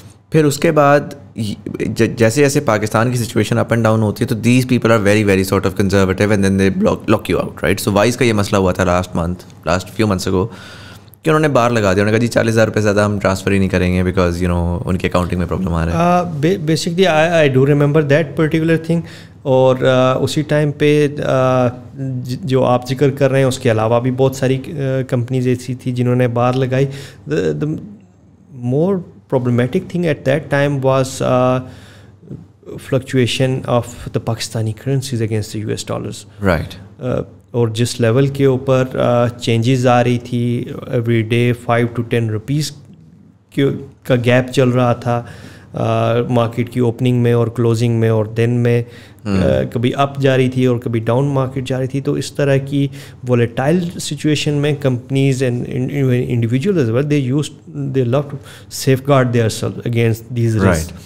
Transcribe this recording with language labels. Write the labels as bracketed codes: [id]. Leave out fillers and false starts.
[ur] پھر اس کے بعد جیسے جیسے پاکستان کی سچویشن اپ اینڈ ڈاؤن ہوتی ہے, تو [en] these people are very very sort of conservative and then they lock you out, [ur] right? So wise کا یہ مسئلہ ہوا تھا لاسٹ فیو منتھس اگو کہ انہوں نے بار لگا دیا, انہوں نے کہا جی 40,000 روپے زیادہ ہم ٹرانسفر ہی نہیں کریں گے [en] because you know [ur] ان کے اکاؤنٹنگ میں پرابلم آ رہا ہے. [en] Basically I do remember that particular thing. [ur] اور اسی ٹائم پہ جو آپ ذکر کر رہے ہیں اس کے علاوہ بھی بہت ساری کمپنیز ایسی تھیں جنہوں نے بار لگائی. [en] The more problematic thing at that time was fluctuation of the Pakistani currencies against the U S dollars, right? [ur] اور جس لیول کے اوپر چینجز آ رہی تھی, ایوری ڈے 5 to 10 روپیز کا گیپ چل رہا تھا مارکیٹ کی اوپننگ میں اور کلوزنگ میں اور دن میں, کبھی اپ جا رہی تھی اور کبھی ڈاؤن مارکیٹ جا رہی تھی, تو اس طرح کی ولیٹائل سچویشن میں companies and individual as well [en] They love to safeguard their self against these risk.